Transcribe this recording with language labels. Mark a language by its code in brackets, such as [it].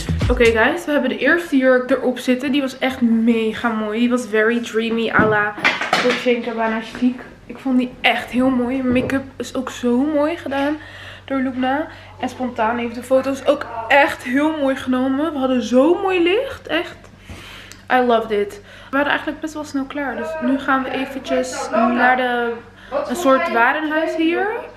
[nl] Oké, guys, we hebben de eerste jurk erop zitten. Die was echt mega mooi. Die was [en] very dreamy [nl] à la Dolce & Gabbana chic. Ik vond die echt heel mooi. Make-up is ook zo mooi gedaan door Luna. En spontaan heeft de foto's ook echt heel mooi genomen. We hadden zo mooi licht. Echt. [en] I loved it. [nl] We waren eigenlijk best wel snel klaar. Dus nu gaan we eventjes naar een soort warenhuis hier.